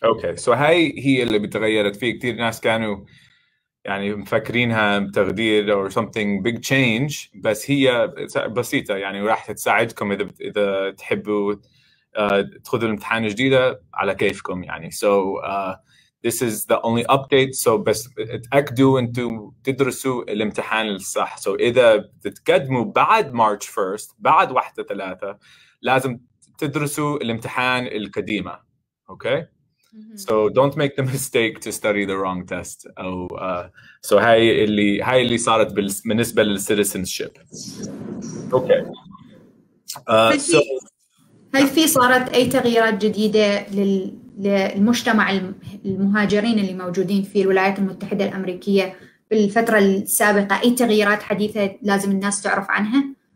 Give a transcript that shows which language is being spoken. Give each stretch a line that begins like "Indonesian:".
Arabic: اوكي سو هاي هي اللي بتغيرت فيه كثير ناس كانوا يعني مفكرينها تغيير او
English: something big change،
Arabic: بس هي بسيطه يعني وراح تساعدكم اذا تحبوا تاخذوا الامتحان الجديده على كيفكم يعني. سو
English: this is the only update. So
Arabic: بس اتأكدوا انتو تدرسوا الامتحان الصح. So اذا بتتقدموا بعد مارتش 1، بعد 1/3، لازم تدرسوا الامتحان القديمة.
English: Okay? So don't make the mistake to study the wrong test.
Arabic: أو so هاي اللي صارت بالنسبة للcitizenship.
English: Okay. So
Arabic: هل في صارت أي تغييرات جديدة للمجتمع المهاجرين اللي موجودين في الولايات المتحدة الأمريكية في الفترة السابقة؟ أي تغييرات حديثة لازم الناس تعرف عنها؟